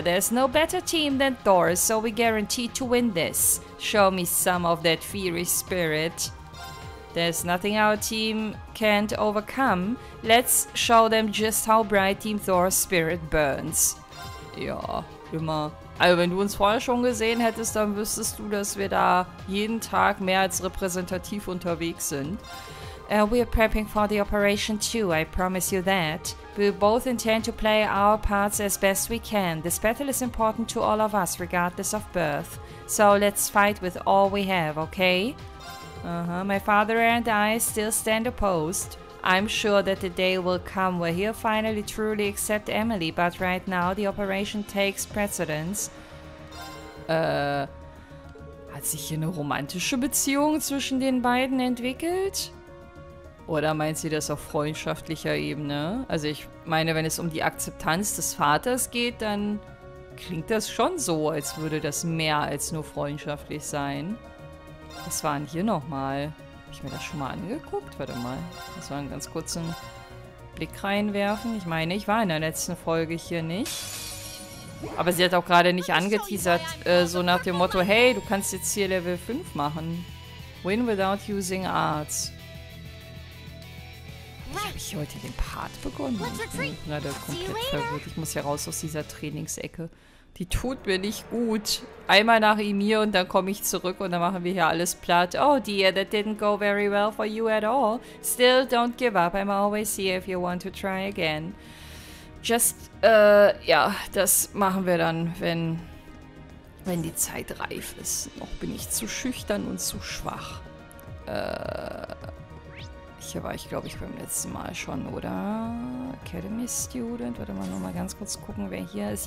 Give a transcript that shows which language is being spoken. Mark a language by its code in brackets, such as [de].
[en] There's no better team than Thor's, so we guarantee to win this. Show me some of that fiery spirit. There's nothing our team can't overcome. Let's show them just how bright Team Thor's spirit burns. [de] Ja, immer. Also wenn du uns vorher schon gesehen hättest, dann wüsstest du, dass wir da jeden Tag mehr als repräsentativ unterwegs sind. [en] We are prepping for the operation too, I promise you that. We both intend to play our parts as best we can. This battle is important to all of us, regardless of birth. So let's fight with all we have, okay? My father and I still stand opposed. I'm sure that the day will come where he'll finally truly accept Emily, but right now the operation takes precedence. [de] Hat sich hier eine romantische Beziehung zwischen den beiden entwickelt? Oder meint sie das auf freundschaftlicher Ebene? Also ich meine, wenn es um die Akzeptanz des Vaters geht, dann klingt das schon so, als würde das mehr als nur freundschaftlich sein. Was waren hier nochmal? Habe ich mir das schon mal angeguckt? Warte mal. Muss mal einen ganz kurzen Blick reinwerfen. Ich meine, ich war in der letzten Folge hier nicht. Aber sie hat auch gerade nicht angeteasert, so nach dem Motto, hey, du kannst jetzt hier Level 5 machen. [en] Win without using arts. [de] Habe ich heute den Part begonnen? Na, der komplett verwirrt. Ich muss hier raus aus dieser Trainingsecke. Die tut mir nicht gut. Einmal nach Emir und dann komme ich zurück und dann machen wir hier alles platt. [en] Oh dear, that didn't go very well for you at all. Still, don't give up. I'm always here if you want to try again. [de] Just, ja, das machen wir dann, wenn die Zeit reif ist. Noch bin ich zu schüchtern und zu schwach. Hier war ich, glaube ich, beim letzten Mal schon, oder? Academy Student. Warte mal, nochmal ganz kurz gucken, wer hier ist.